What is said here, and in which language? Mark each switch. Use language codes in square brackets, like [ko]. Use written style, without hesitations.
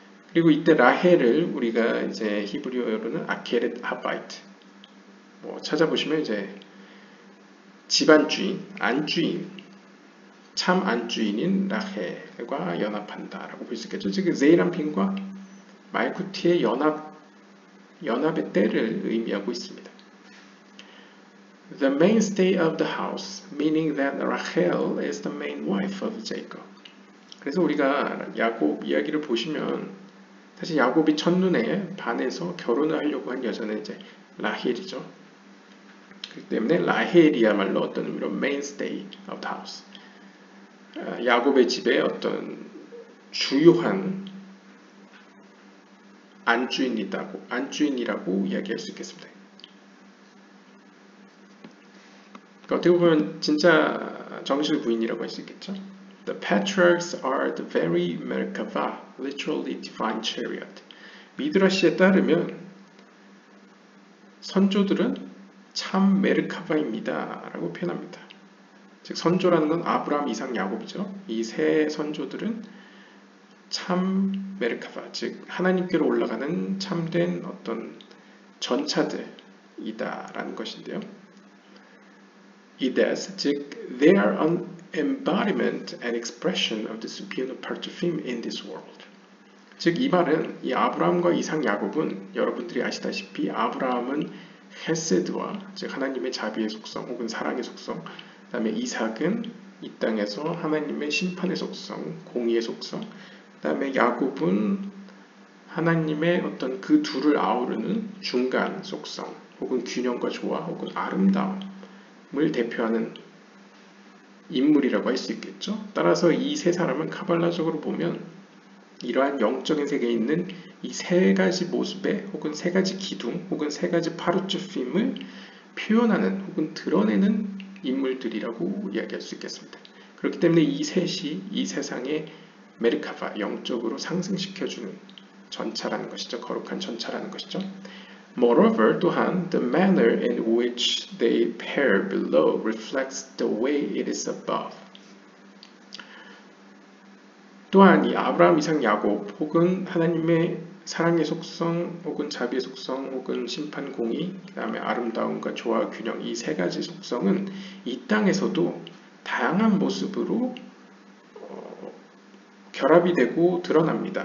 [ko] 그리고 이때 라헬을 우리가 이제 히브리어로는 아케렛 하바이트, 뭐 찾아보시면 이제 집안주인, 안주인, 참 안주인인 라헬과 연합한다라고 볼 수 있겠죠. 즉 제이람핀과 말쿠티의 연합의 때를 의미하고 있습니다. [en] The mainstay of the house, meaning that Rachel is the main wife of Jacob. [ko] 그래서 우리가 야곱 이야기를 보시면 사실 야곱이 첫눈에 반해서 결혼을 하려고 한 여자는 이제 라헬이죠. 그렇기 때문에 라헬이야말로 어떤 의미로 [en] mainstay of the house. [ko] 야곱의 집에 어떤 주요한 안주인이라고, 안주인이라고 이야기할 수 있겠습니다. 그러니까 어떻게 보면 진짜 정실 부인이라고 할 수 있겠죠. [en] The patriarchs are the very Merkava, literally divine chariot. [ko] 미드라시에 따르면 선조들은 참 메르카바입니다 라고 표현합니다. 즉 선조라는 건 아브라함 이삭 야곱이죠. 이 세 선조들은 참 메르카바, 즉 하나님께로 올라가는 참된 어떤 전차들이다 라는 것인데요. [en] Ides, 즉 they are an embodiment and expression of the supreme part of him in this world. [ko] 즉 이 말은 이 아브라함과 이삭 야곱은 여러분들이 아시다시피 아브라함은 헤세드와 즉 하나님의 자비의 속성 혹은 사랑의 속성, 그 다음에 이삭은 이 땅에서 하나님의 심판의 속성, 공의의 속성, 그 다음에 야곱은 하나님의 어떤 그 둘을 아우르는 중간 속성 혹은 균형과 조화 혹은 아름다움을 대표하는 인물이라고 할 수 있겠죠. 따라서 이 세 사람은 카발라적으로 보면 이러한 영적인 세계에 있는 이 세 가지 모습의 혹은 세 가지 기둥 혹은 세 가지 파루츠핌을 표현하는 혹은 드러내는 인물들이라고 이야기할 수 있겠습니다. 그렇기 때문에 이 셋이 이 세상의 메르카바 영적으로 상승시켜주는 전차라는 것이죠. 거룩한 전차라는 것이죠. [en] Moreover, [ko] 또한 [en] the manner in which they pair below reflects the way it is above. [ko] 또한 이 아브라함 이삭 야곱 혹은 하나님의 사랑의 속성 혹은 자비의 속성 혹은 심판 공의 그 다음에 아름다움과 조화 균형 이 세 가지 속성은 이 땅에서도 다양한 모습으로 결합이 되고 드러납니다.